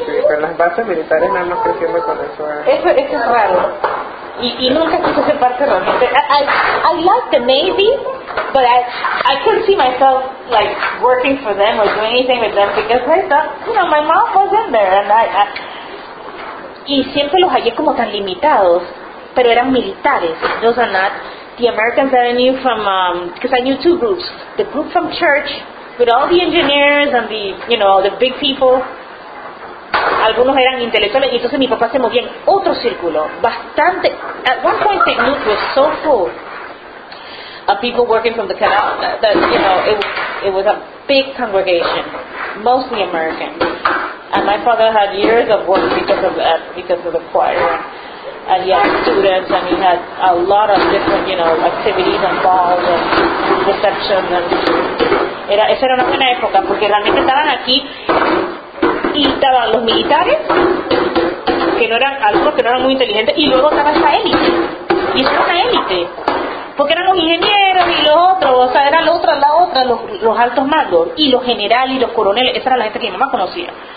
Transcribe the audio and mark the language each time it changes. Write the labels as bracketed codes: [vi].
[es] Sí, con las bases militares nada más creciendo con eso. Eso es raro. Y nunca quise ser parte de la gente. [en] I love the Navy, but I couldn't see myself like working for them or doing anything with them because I thought, you know, my mom was in there. [es] And y siempre los hallé como tan limitados, pero eran militares. [en] Those are not the Americans that I knew from... Because I knew two groups. The group from church... But all the engineers and the, you know, the big people, [es] algunos eran intelectuales, y entonces mi papá se movía en otro círculo, bastante, [en] at one point St. Luke was so full of people working from the canal, that you know, it was a big congregation, mostly American, and my father had years of work because of the choir, and he had students, and he had a lot of different, you know, activities and balls and receptions and... [es] Esa era una buena época, porque realmente estaban aquí y estaban los militares, que no eran algunos que no eran muy inteligentes, y luego estaba esa élite. Y eso era una élite, porque eran los ingenieros y los otros, o sea, era la otra, los altos mandos, y los generales y los coroneles, esa era la gente que mi mamá conocía.